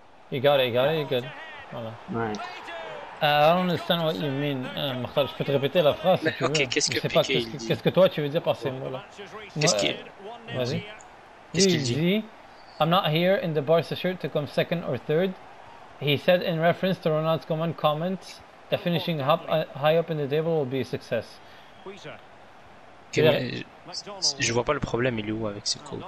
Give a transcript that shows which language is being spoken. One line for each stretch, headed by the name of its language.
English: You got it. Voilà. Nice. I don't understand what you mean.
French: Martin, je peux te répéter la phrase si tu veux. Ok, qu'est-ce que Piqué pas, qu'est-ce, dit qu'est-ce que toi tu veux dire par ces mots-là? Qu'est-ce qu'il vas-y. Qu'est-ce qu'il dit?
English: I'm not here in the Barca shirt to come second or third. He said in reference to Ronald Koeman comments that finishing up, high up in the table will be a success.
French: Je vois pas le problème, il est où avec ce quote?